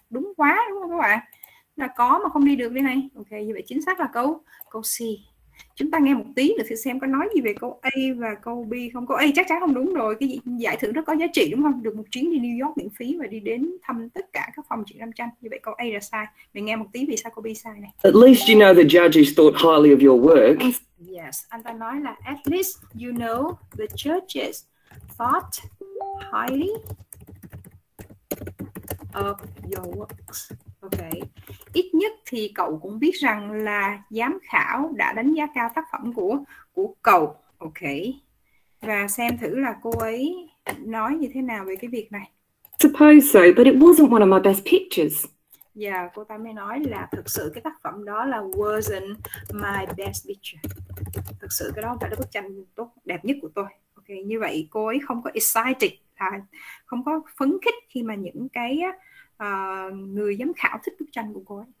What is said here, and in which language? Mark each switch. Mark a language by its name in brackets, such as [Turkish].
[Vietnamese] Đúng quá đúng không các bạn? Là có mà không đi được đây này. Ok, như vậy chính xác là câu C. Chúng ta nghe một tí nữa thì xem có nói gì về câu A và câu B không. Câu A chắc chắn không đúng rồi. Cái giải thưởng rất có giá trị đúng không? Được một chuyến đi New York miễn phí và đi đến thăm tất cả các phòng triển lãm tranh. Như vậy câu A là sai. Mình nghe một tí vì sao câu B sai này. [English] At least you know the judges thought highly of your work. Yes, [Vietnamese] anh ta nói là [English] at least you know the judges thought highly of your works. [Vietnamese] Ok, ít nhất thì cậu cũng biết rằng là giám khảo đã đánh giá cao tác phẩm của cậu. Ok, và xem thử là cô ấy nói như thế nào về cái việc này. [English] Suppose so, but it wasn't one of my best pictures. [Vietnamese] Yeah, cô ta mới nói là thực sự cái tác phẩm đó là [English] wasn't my best picture. [Vietnamese] Thực sự cái đó không phải là bức tranh tốt đẹp nhất của tôi. Ok, như vậy cô ấy không có excited, không có phấn khích khi mà những cái người giám khảo thích bức tranh của cô ấy.